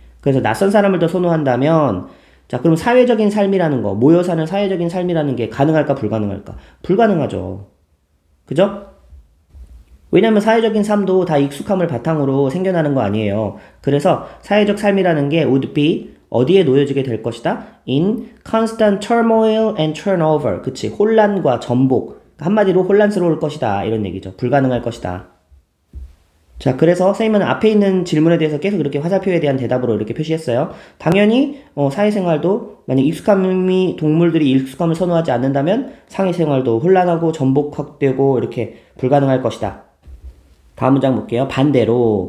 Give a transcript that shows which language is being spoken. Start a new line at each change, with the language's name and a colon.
Korean: 그래서 낯선 사람을 더 선호한다면, 자, 그럼 사회적인 삶이라는 거, 모여 사는 사회적인 삶이라는 게 가능할까, 불가능할까? 불가능하죠. 그죠? 왜냐면 사회적인 삶도 다 익숙함을 바탕으로 생겨나는 거 아니에요. 그래서 사회적 삶이라는 게
English: would be
Korean: 어디에 놓여지게 될 것이다?
English: In constant turmoil and turnover.
Korean: 그치. 혼란과 전복. 한마디로 혼란스러울 것이다. 이런 얘기죠. 불가능할 것이다. 자, 그래서 선생님은 앞에 있는 질문에 대해서 계속 이렇게 화살표에 대한 대답으로 이렇게 표시했어요. 당연히, 사회생활도, 만약 익숙함이, 동물들이 익숙함을 선호하지 않는다면 사회생활도 혼란하고 전복되고 이렇게 불가능할 것이다. 다음 문장 볼게요. 반대로.